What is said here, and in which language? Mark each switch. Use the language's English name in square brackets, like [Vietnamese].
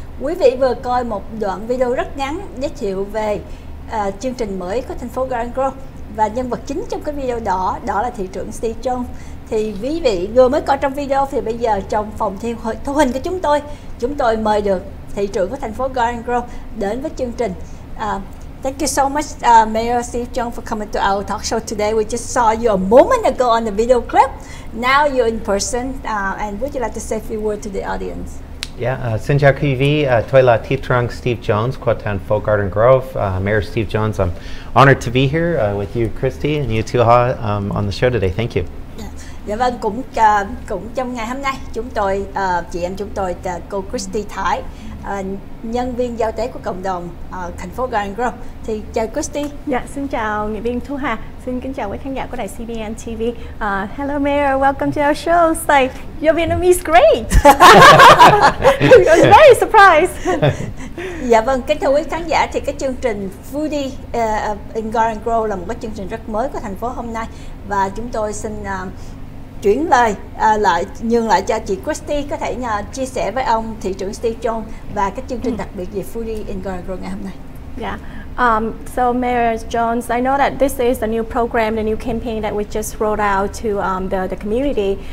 [Vietnamese] Quý vị vừa coi một đoạn video rất ngắn giới thiệu về chương trình mới của thành phố Garden Grove và nhân vật chính trong cái video đó là thị trưởng Steve Jones. Thì quý vị vừa mới coi trong video thì bây giờ trong phòng thu hình của chúng tôi mời được thị trưởng của thành phố Garden Grove đến với chương trình. [English] Thank you so much, Mayor Steve Jones, for coming to our talk show today. We just saw you a moment ago on the video clip. Now you're in person, and would you like to say a few words to the audience? [Vietnamese] Yeah, xin chào quý vị, tôi là thị trưởng Steve Jones của thành phố Garden Grove. [English] Mayor Steve Jones, I'm honored to be here with you, Christy, and you too, on the show today. Thank you. [Vietnamese] Dạ vâng, cũng trong ngày hôm nay, chúng tôi, chị em chúng tôi, cô Christy Thái, nhân viên giao tế của cộng đồng thành phố Garden Grove. Thì chào Christy. Dạ, xin chào nghị viên Thu Hà. Xin kính chào quý khán giả của đài CBN TV. [English] Hello Mayor, welcome to our show. It's like, your Vietnamese is great. I was very surprised. [Vietnamese] Dạ vâng, kính thưa quý khán giả, thì cái chương trình Foodie in Garden Grove là một cái chương trình rất mới của thành phố hôm nay. Và chúng tôi xin chuyển lời lại nhường lại cho chị Christy có thể chia sẻ với ông thị trưởng Steve Jones và cái chương trình đặc biệt về Foodie in Garden Grove ngày hôm nay. [English] Yeah. So Mayor Jones, I know that this is a new program, the new campaign that we just rolled out to the community.